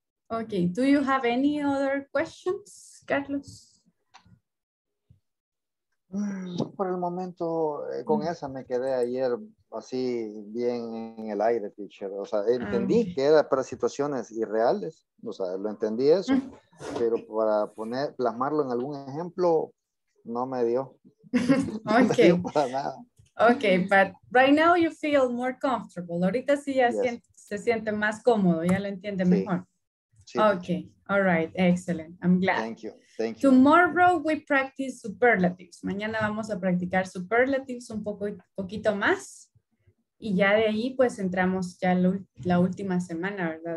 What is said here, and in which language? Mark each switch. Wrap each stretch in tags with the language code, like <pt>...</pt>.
<en>Okay, do you have any other questions, Carlos?</en> <es>Por el momento, con esa me quedé ayer así bien en el aire, teacher. O sea, entendí que era para situaciones irreales, o sea, lo entendí eso, pero para poner, plasmarlo en algún ejemplo, no me dio. Okay. No me dio para nada.</es> <en>Okay, but right now you feel more comfortable.</en> <es>Ahorita sí ya se siente más cómodo, ya lo entiende mejor.</es> <en>Sí, okay, teacher. All right, excellent. I'm glad. Thank you. Tomorrow we practice superlatives.</en> <es>Mañana vamos a practicar superlatives un poquito más. Y ya de ahí pues entramos ya la última semana, ¿verdad?</es>